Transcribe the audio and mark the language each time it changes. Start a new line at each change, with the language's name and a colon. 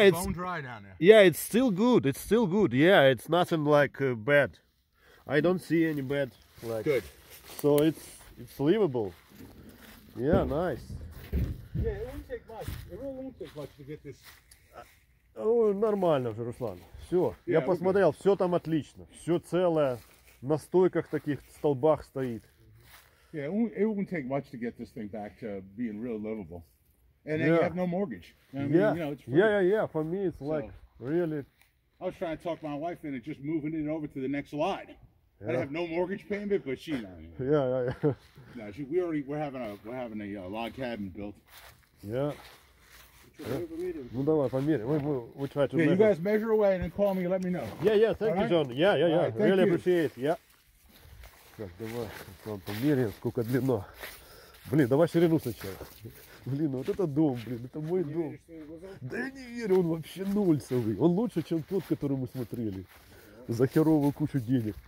English: it's bone dry down there. Yeah, it's still good. It's still good. Yeah, it's nothing like bad. I don't see any bad. Like, good. So it's livable. Yeah, nice. Yeah, it won't take much. It really won't take much to get this.
Russian: Ну, нормально же, Руслан. Все, я посмотрел, все там отлично. Все целое, на стойках таких, столбах стоит.
English: Yeah, it wouldn't take much to get this thing back to being real livable. And then you have no mortgage. For me it's like, really. I was trying to talk my wife into just moving it over to the next lot. Yeah. I have no mortgage payment, but she, Yeah. No, she, we're having a log cabin built. Yeah.
Russian: Ну давай, померяй.
English: Yeah, you guys measure away and then call me and let me know. Yeah, thank you, John. Yeah. Really appreciate it. Yeah.
Russian: Так, давай, Руслан, померяй, сколько длина. Блин, давай ширину сначала. Блин, вот это дом, блин, это мой дом. Да я не верю, он вообще нульцевый. Он лучше, чем тот, который мы смотрели. За херовую кучу денег.